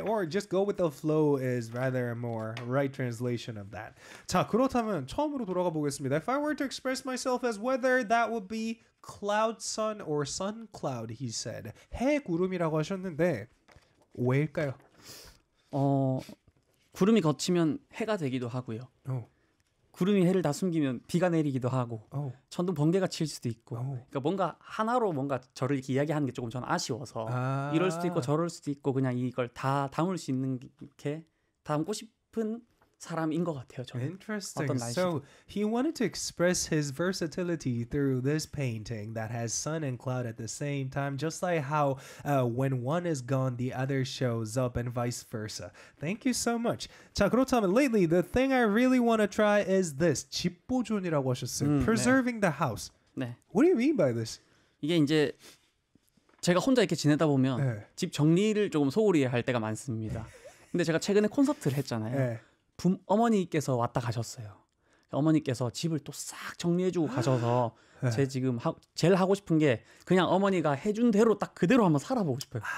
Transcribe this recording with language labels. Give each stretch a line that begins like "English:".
English: Or just go with the flow is rather a more right translation of that.
Korean: 자, 그렇다면 처음으로 돌아가 보겠습니다.
English: If I were to express myself as weather, that would be cloud sun or sun cloud, he said.
Korean: 해구름이라고 하셨는데 왜일까요? 구름이 거치면 해가 되기도 하고요. Oh. 구름이 해를 다 숨기면 비가 내리기도 하고 oh. 천둥 번개가 칠 수도 있고 oh. 그러니까 뭔가 하나로 뭔가 저를 이렇게 이야기하는 게 조금 저는 아쉬워서 아. 이럴 수도 있고 저럴 수도 있고 그냥 이걸 다 담을 수 있는 게 담고 싶은 사람인 것 같아요. 저는.
English: Interesting.
Korean: 어떤 날씨도.
English: So he wanted to express his versatility through this painting that has sun and cloud at the same time, just like how when one is gone, the other shows up and vice versa. Thank you so much.
Korean: 자, 그렇다면
English: lately, the thing I really want to try is this.
Korean: 집 보존이라고 하셨어요.
English: Preserving
Korean: 네.
English: the house.
Korean: 네.
English: What do you mean by this?
Korean: 이게 이제 제가 혼자 이렇게 지내다 보면 네. 집 정리를 조금 소홀히 할 때가 많습니다. 근데 제가 최근에 콘서트를 했잖아요. 네. 어머니께서 왔다 가셨어요. 어머니께서 집을 또 싹 정리해주고 가셔서 제 지금 제일 하고 싶은 게 그냥 어머니가 해준 대로 딱 그대로 한번 살아보고 싶어요.